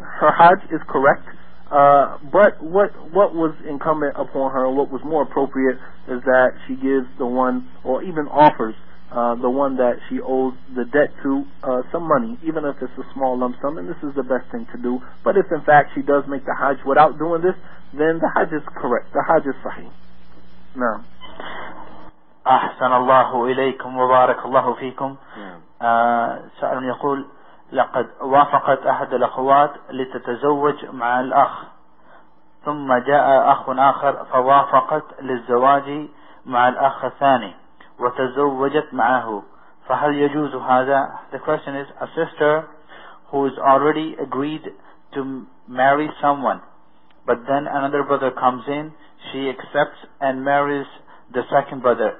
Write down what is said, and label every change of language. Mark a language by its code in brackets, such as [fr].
[en] Her Hajj is correct. But what was incumbent upon her, what was more appropriate, is that she gives the one, or even offers the one that she owes the debt to, some money, even if it's a small lump sum, and this is the best thing to do. But if in fact she does make the Hajj without doing this, then the Hajj is correct. The Hajj is sahih. Now, [ar] أحسن الله إليكم وبارك الله فيكم. سأل يقول لقد وافقت أحد الأخوات لتتزوج مع الأخ، ثم جاء أخ آخر فوافقت للزواج مع الأخ الثاني وتزوجت معه، فهل يجوز هذا؟ [en] The question is, a sister who is already agreed to marry someone, but then another brother comes in, she accepts and marries the second brother.